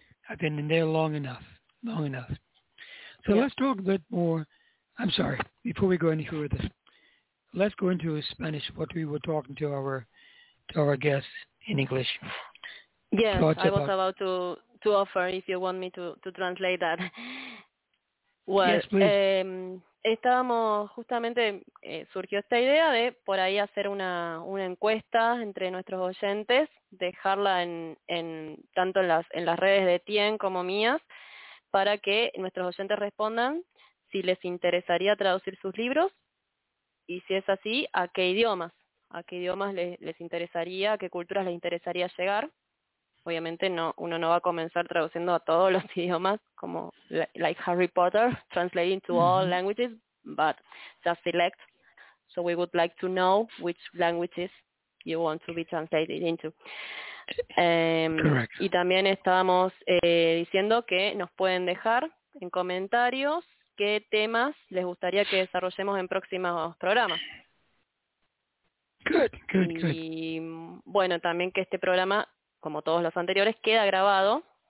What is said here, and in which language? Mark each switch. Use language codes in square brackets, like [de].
[en] I've been in there long enough. So yeah. Let's talk a bit more. I'm sorry, before we go any further, let's go into Spanish, what we were talking to our guests in English. Yes, I was about to offer, if you want me to translate that. Well, yes, please. [es] Estábamos justamente, surgió esta idea de por ahí hacer una encuesta entre nuestros oyentes, dejarla en tanto en las redes de TIEN como mías, para que nuestros oyentes respondan si les interesaría traducir sus libros y si es así, a qué idiomas les interesaría, a qué culturas les interesaría llegar. Obviamente uno no va a comenzar traduciendo a todos los idiomas como [en] like Harry Potter, translating to all languages, but just select. So we would like to know which languages you want to be translated into. Correct. [es] Y también estábamos diciendo que nos pueden dejar en comentarios qué temas les gustaría que desarrollemos en próximos programas. [en] Good, good, [es] Y [en] good. [es] bueno, también que este programa, como todos los anteriores, queda grabado.